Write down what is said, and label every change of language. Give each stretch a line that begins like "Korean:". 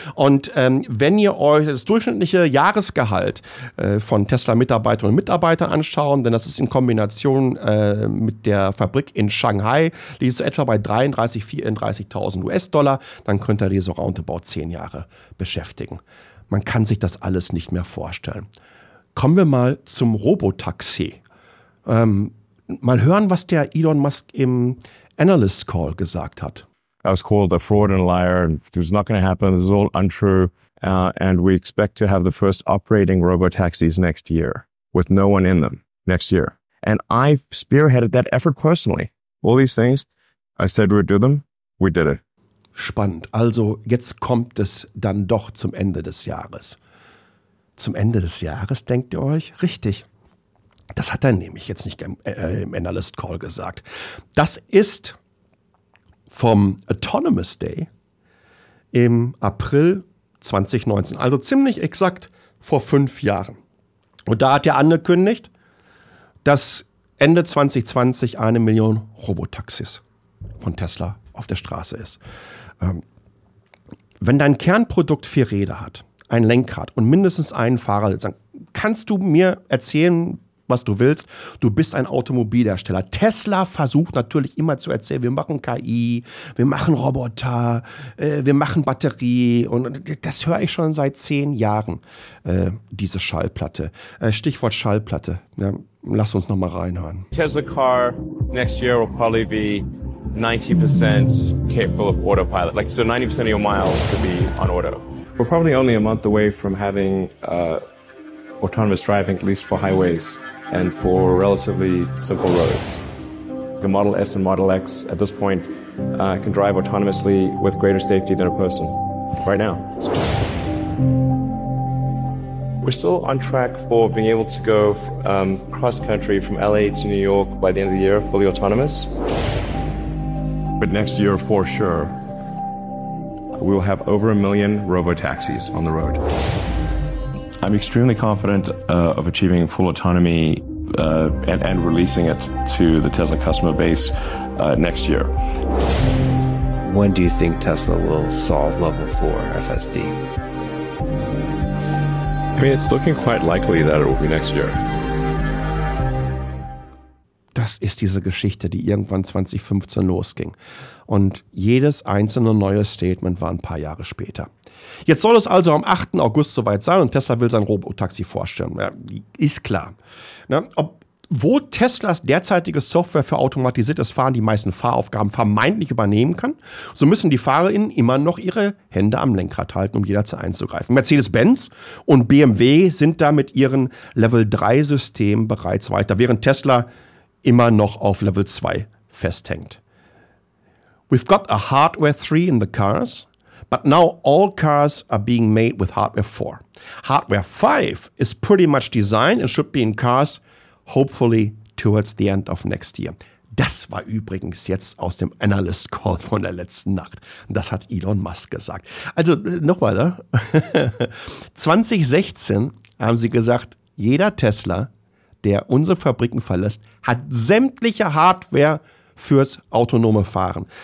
German: Und wenn ihr euch das durchschnittliche Jahresgehalt von Tesla-Mitarbeitern und Mitarbeitern anschauen, denn das ist in Kombination mit der Fabrik in Shanghai, liegt es etwa bei 33.000, 34.000 US-Dollar, dann könnt ihr die so roundabout 10 Jahre beschäftigen. Man kann sich das alles nicht mehr vorstellen. Kommen wir mal zum Robotaxi. Mal hören, was der Elon Musk im Analyst Call gesagt hat.
English: I was called a fraud and a liar. It's not going to happen. This is all untrue. And we expect to have the first operating robotaxis next year with no one in them next year. And I spearheaded that effort personally. All these things, I said we'd do them. We did it.
German: Spannend. Also jetzt kommt es dann doch zum Ende des Jahres. Zum Ende des Jahres, denkt ihr euch? Richtig. Das hat er nämlich jetzt nicht im Analyst Call gesagt. Das ist vom Autonomous Day im April 2019, also ziemlich exakt vor 5 Jahren. Und da hat er angekündigt, dass Ende 2020 eine Million Robotaxis von Tesla auf der Straße ist. Wenn dein Kernprodukt 4 Räder hat, ein Lenkrad und mindestens einen Fahrer, dann kannst du mir erzählen, was du willst. Du bist ein Automobilhersteller. Tesla versucht natürlich immer zu erzählen, wir machen KI, wir machen Roboter, wir machen Batterie. Und das höre ich schon seit 10 Jahren, diese Schallplatte. Stichwort Schallplatte. Ja, lass uns nochmal reinhören.
English: Tesla car next year will probably be 90% capable of autopilot. Like, so 90% of your miles could be on auto. We're probably only a month away from having autonomous driving, at least for highways and for relatively simple roads. The Model S and Model X, at this point, can drive autonomously with greater safety than a person right now. We're still on track for being able to go cross-country from LA to New York by the end of the year, fully autonomous. But next year, for sure, we will have over 1 million robo-taxis on the road. I'm extremely confident of achieving full autonomy and releasing it to the Tesla customer base next year. When do you think Tesla will solve level 4 FSD? I mean, it's looking quite likely that it will be next year.
German: Das ist diese Geschichte, die irgendwann 2015 losging. Und jedes einzelne neue Statement war ein paar Jahre später. Jetzt soll es also am 8. August soweit sein und Tesla will sein Robotaxi vorstellen. Ja, ist klar. Ne? Obwohl Teslas derzeitige Software für automatisiertes Fahren die meisten Fahraufgaben vermeintlich übernehmen kann, so müssen die FahrerInnen immer noch ihre Hände am Lenkrad halten, um jederzeit einzugreifen. Mercedes-Benz und BMW sind da mit ihren Level-3-Systemen bereits weiter, während Tesla immer noch auf Level 2 festhängt.
English: We've got a Hardware 3 in the cars, but now all cars are being made with Hardware 4. Hardware 5 is pretty much designed and should be in cars, hopefully towards the end of next year.
German: Das war übrigens jetzt aus dem Analyst Call von der letzten Nacht. Das hat Elon Musk gesagt. Also nochmal, ne? 2016 haben sie gesagt, jeder Tesla, der unsere Fabriken verlässt, hat sämtliche Hardware fürs autonome Fahren.